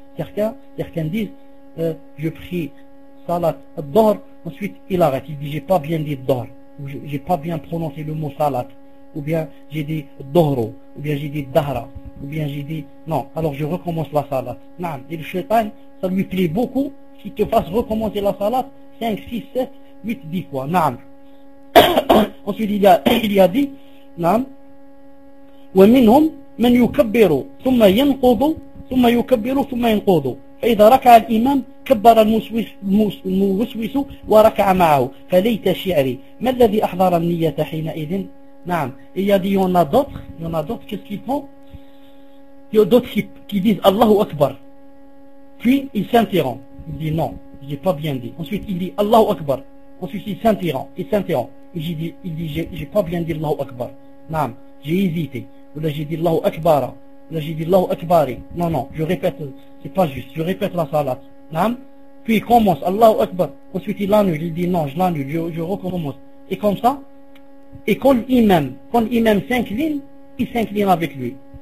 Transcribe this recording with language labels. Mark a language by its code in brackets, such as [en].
[fr] Certains disent je prie salat d'or, ensuite il arrête, il dit j'ai pas bien dit d'or, ou j'ai pas bien prononcé le mot salat, ou bien j'ai dit d'oro, ou bien j'ai dit dahra, ou bien j'ai dit non, alors je recommence la salat. Non. Et le shaitan, ça lui plaît beaucoup qu'il te fasse recommencer la salat 5, 6, 7, 8, 10 fois. Non. Ensuite il y a dit non. [ar] ومنهم من يكبر ثم ينقض ثم يكبر ثم ينقض فإذا ركع الإمام كبر الموسوس وركع معه فليت شعري ما الذي أحضر النية حينئذ. نعم. [fr] Il y a dit il y en a d'autres, qu'est-ce qu'ils font? Il y a d'autres qui disent Allahu Akbar, puis il s'interrompt, il dit non, j'ai pas bien dit. Ensuite il dit Allahu Akbar, ensuite il s'interrompt, il dit j'ai pas bien dit Allahu Akbar, non, j'ai hésité, ou là j'ai dit Allahu Akbar, ou là j'ai dit Allahu Akbari, non, je répète, c'est pas juste, je répète la salat, non, puis il commence Allahu Akbar, ensuite il annule, il dit non, je l'annule, je recommence, et comme ça, et quand l'imam s'incline, il s'incline avec lui.